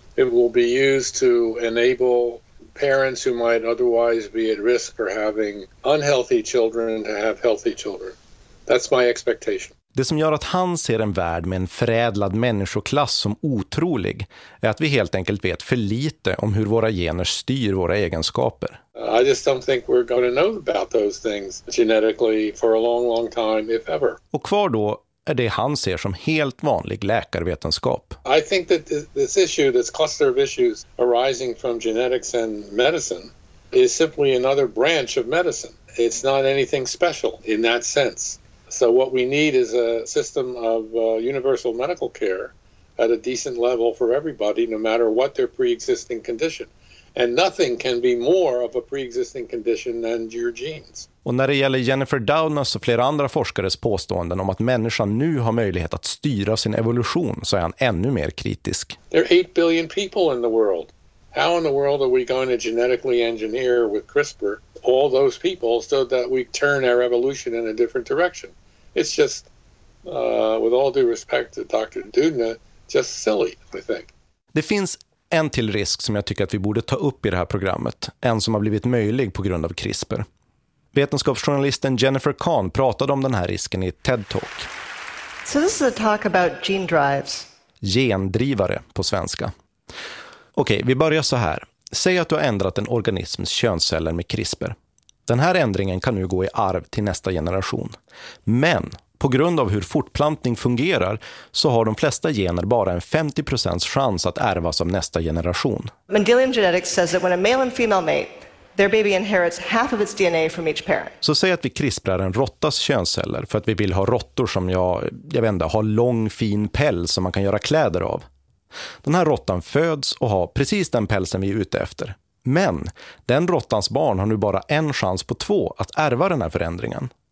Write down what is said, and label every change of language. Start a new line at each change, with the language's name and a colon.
English: It will be used to enable parents who might otherwise be at risk for having unhealthy children to have healthy children. That's my expectation.
Swedish: Det som gör att han ser en värld med en förädlad människoklass som otrolig är att vi helt enkelt vet för lite om hur våra gener styr våra egenskaper.
English: I just don't think we're going to know about those things genetically for a long, long time, if ever.
Swedish: Och kvar då är det han ser som helt vanlig läkarvetenskap.
English: I think that this issue, this cluster of issues arising from genetics and medicine, is simply another branch of medicine. It's not anything special in that sense. So what we need is a system of universal medical care at a decent level for everybody, no matter what their pre-existing condition. And nothing can be more of a pre-existing condition than your genes.
Swedish: Och när det gäller Jennifer Doudnas och flera andra forskares påståenden om att människan nu har möjlighet att styra sin evolution, så är han ännu mer kritisk.
English: There are 8 billion people in the world. How in the world are we going to genetically engineer with CRISPR all those people so that we turn our evolution in a different direction? It's just, with all due respect to Dr. Doudna, just silly, I think.
Swedish: Det finns En till risk som jag tycker att vi borde ta upp i det här programmet, en som har blivit möjlig på grund av CRISPR. Vetenskapsjournalisten Jennifer Kahn pratade om den här risken i TED-talk.
English: So this is a talk about gene drives.
Swedish: Gendrivare på svenska. Okej, vi börjar så här. Säg att du har ändrat en organisms könsceller med CRISPR. Den här ändringen kan nu gå i arv till nästa generation. Men på grund av hur fortplantning fungerar så har de flesta gener bara en 50% chans att ärvas av nästa generation.
English: Mendelian genetics says that when a male and female mate, their baby inherits half of its DNA from each parent.
Swedish: Så säg att vi CRISPRar en råttas könsceller för att vi vill ha råttor som har lång fin päls som man kan göra kläder av. Den här råttan föds och har precis den pälsen vi är ute efter. Men den råttans barn har nu bara en chans på två att ärva den här förändringen.